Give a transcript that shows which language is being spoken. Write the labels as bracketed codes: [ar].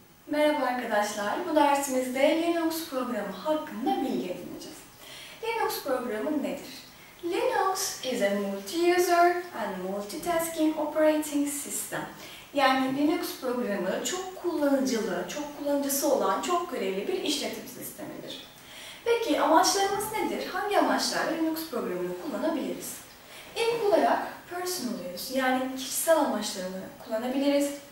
[tr] Merhaba arkadaşlar, bu dersimizde Linux programı hakkında bilgi edineceğiz. Linux programı nedir? [en] Linux is a multi-user and multitasking operating system. [tr] Yani Linux programı çok kullanıcılı, çok kullanıcısı olan, çok görevli bir işletim sistemidir. Peki amaçlarımız nedir? Hangi amaçlarla Linux programını kullanabiliriz? İlk olarak personal use, yani kişisel amaçlarını kullanabiliriz.